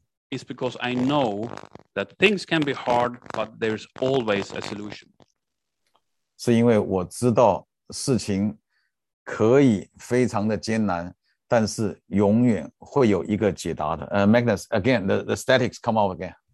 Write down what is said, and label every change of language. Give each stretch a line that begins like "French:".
English: ？It's because I know that things can be hard, but there's always a solution。
Chinese: 是因为我知道事情可以非常的艰难。但是永远会有一个解答的。
English: Magnus, again, the statics come out again.